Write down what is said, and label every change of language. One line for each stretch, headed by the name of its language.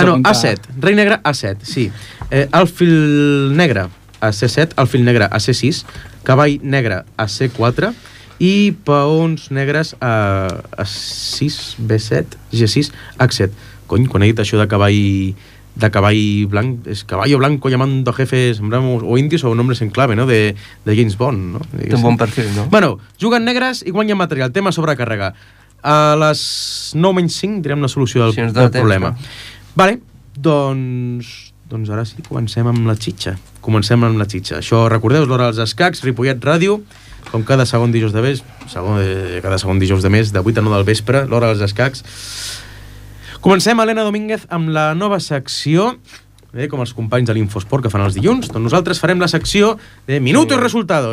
Catalan: a comptar. A7. Rei negre a 7, sí. Alfil negre a C7, alfil negre a C6, cavall negre a C4 i peons negres a 6, B7, G6, H7. Cony, quan he dit això de cavall... De cavall blanc,
Spanish: es caballo blanco llamando a jefes, o indios o nombres en clave, ¿no? De James Bond, ¿no?
Catalan: Té un bon perfil, ¿no? Bueno, juguen negres i guanyen material. Tema sobrecàrrega. A les 9 menys 5 direm la solució del, si del temps, problema. Que... Vale, doncs ara sí, comencem amb la xitxa. Comencem amb la xitxa. Això, recordeu, és l'hora dels escacs, Ripollet Ràdio, com cada segon dijous de mes, cada segon dijous de mes, de 8 a 9 del vespre, l'hora dels escacs. Comencem, Helena Domínguez, amb la nova secció, com els companys de l'Infosport que fan els dilluns. Doncs nosaltres farem la secció de
Spanish: minuto y resultado.